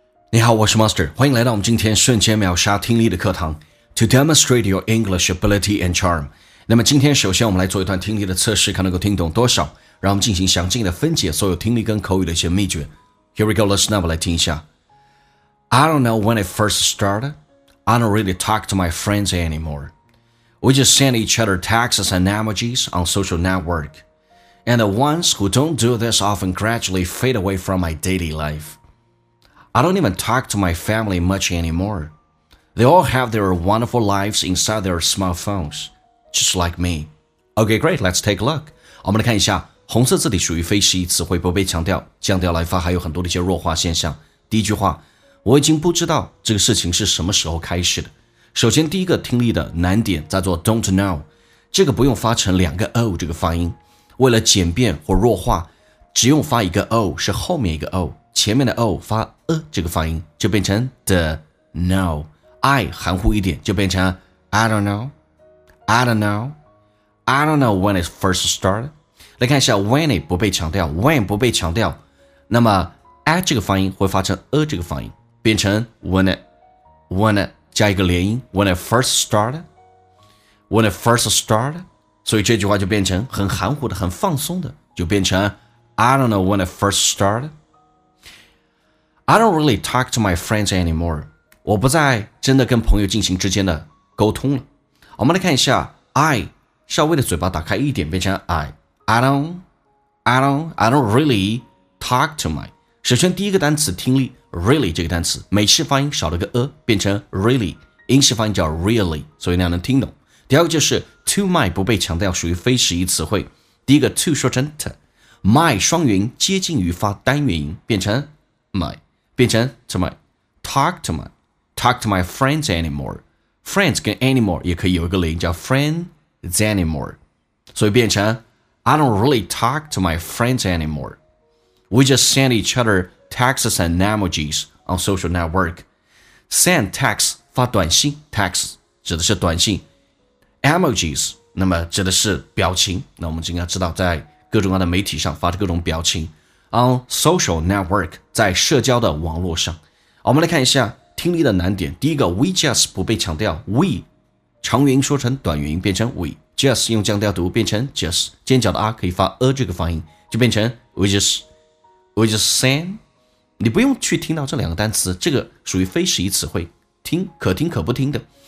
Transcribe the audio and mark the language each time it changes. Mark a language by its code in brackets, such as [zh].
[zh] 你好，我是 Master， 欢迎来到我们今天瞬间秒杀听力的课堂 [en] To demonstrate your English ability and charm。 [zh] 那么今天首先我们来做一段听力的测试，看能够听懂多少，让我们进行详尽的分解所有听力跟口语的一些秘诀。 [en] Here we go, listen up, [zh] 来听一下。 [en] I don't know when it first started. I don't really talk to my friends anymore. We just send each other texts and emojis on social network. And the ones who don't do this often gradually fade away from my daily life. I don't even talk to my family much anymore. They all have their wonderful lives inside their smartphones, just like me. Okay, great, let's take a look. [zh] 我们来看一下，红色字体属于非习词汇，不被强调，降调来发，还有很多的一些弱化现象。第一句话，我已经不知道这个事情是什么时候开始的。首先第一个听力的难点在做 don't know， 这个不用发成两个 o 这个发音，为了简便或弱化，只用发一个 o， 是后面一个 o，前面的 o 发这个发音，就变成 the no， I 含糊一点，就变成 I don't know， I don't know， [en] I don't know when it first started。 [zh] 来看一下 when it 不被强调， when 不被强调，那么 at 这个发音会发成这个发音，变成 when it， when it 加一个连音， when it first started， when it first started， 所以这句话就变成很含糊的，很放松的，就变成 [en] I don't know when it first startedI don't really talk to my friends anymore. [zh] 我不再真的跟朋友进行之间的沟通了。我们来看一下 I 稍微的嘴巴打开一点，变成 [en] I don't really talk to my. [zh] 首先第一个单词听力 really 这个单词，美式发音少了个变成 really， 英式发音叫 really， 所以那样能听懂。第二个就是 to my 不被强调，属于非实义词汇。第一个 to 说成 t， my 双元接近于发单元音，变成 my。变成 to my， talk to my friends anymore， friends 跟 anymore 也可以有一个连音叫 friends anymore， 所以变成 [en] I don't really talk to my friends anymore， we just send each other texts and emojis on social network， [zh] send text 发短信， text 指的是短信， emojis 那么指的是表情，那我们应该知道在各种各样的媒体上发的各种表情，On social network， 在社交的网络上。我们来看一下听力的难点，第一个 we just 不被强调， we 长元音说成短元音，变成 we， just 用降调读变成 just， 尖角的 r 可以发这个发音，就变成 we just send。你不用去听到这两个单词，这个属于非实义词汇，听可听可不听的。